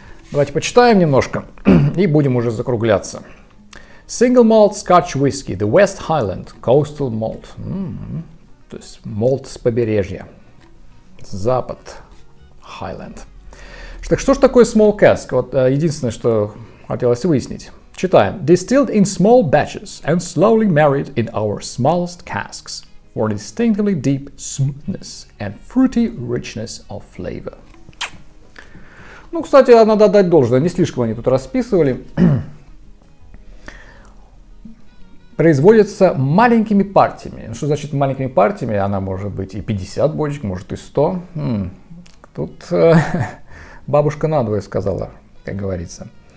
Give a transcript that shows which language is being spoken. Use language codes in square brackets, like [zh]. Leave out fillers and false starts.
[ru] Давайте почитаем немножко и будем уже закругляться. [en] Single malt Scotch whisky, the West Highland Coastal Malt. [ru] То есть молт с побережья. Запад Highland. Так что же такое small cask? Вот единственное, что хотелось выяснить. Читаем. [en] Distilled in small batches and slowly married in our smallest casks for distinctly deep smoothness and fruity richness of flavor. [ru] Ну, кстати, надо отдать должное. Не слишком они тут расписывали. Производится маленькими партиями. Ну, что значит маленькими партиями? Она может быть и 50 бочек, может и 100. Тут бабушка надвое сказала, как говорится.